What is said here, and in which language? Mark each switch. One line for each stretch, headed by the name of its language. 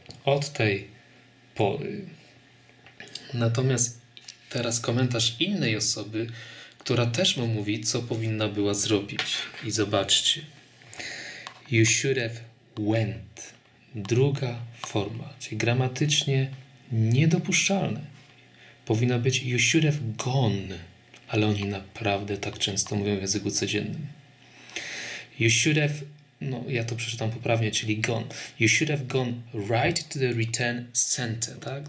Polish: Od tej pory. Natomiast teraz komentarz innej osoby, która też mu mówi, co powinna była zrobić. I zobaczcie.
English: You should have went.
Polish: Druga forma. Czyli gramatycznie niedopuszczalne. Powinno być
English: you should have gone.
Polish: Ale oni naprawdę tak często mówią w języku codziennym.
English: You should have,
Polish: no ja to przeczytam poprawnie, czyli gone.
English: You should have gone right to the return center,
Polish: tak?